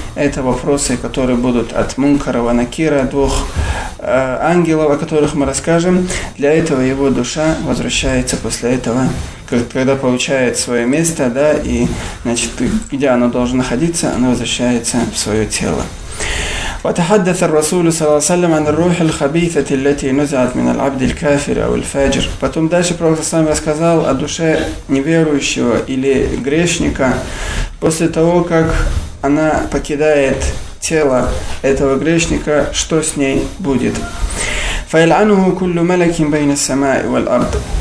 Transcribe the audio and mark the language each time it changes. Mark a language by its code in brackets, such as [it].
[ru] Это вопросы, которые будут от Мункара ва Накира, двух ангелов, о которых мы расскажем. Для этого его душа возвращается после этого, когда получает свое место, да, и, значит, где оно должно находиться, оно возвращается в свое тело. [ar] وتحدث الرسول صلى الله عليه وسلم عن الروح الخبيثة التي نزعت من العبد الكافر أو الفاجر. [ru] Потом дальше пророк саллаллаху алейхи ва саллям рассказал о душе неверующего или грешника после того, как она покидает тело этого грешника, что с ней будет. [ar] فيلعنه كل ملك بين السماء والأرض.